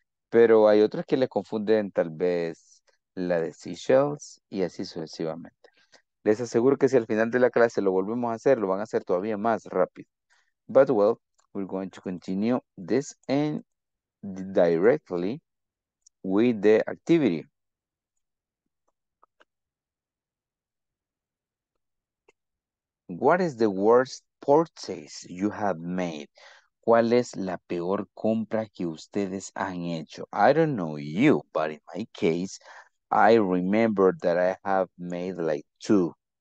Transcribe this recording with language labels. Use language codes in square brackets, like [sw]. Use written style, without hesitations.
[es] Pero hay otras que le confunden tal vez la de seashells y así sucesivamente. Les aseguro que si al final de la clase lo volvemos a hacer, lo van a hacer todavía más rápido. [en] But well, we're going to continue this and directly with the activity. What is the worst purchase you have made? [es] ¿Cuál es la peor compra que ustedes han hecho? [en] I don't know you, but in my case, I remember that I have made like two.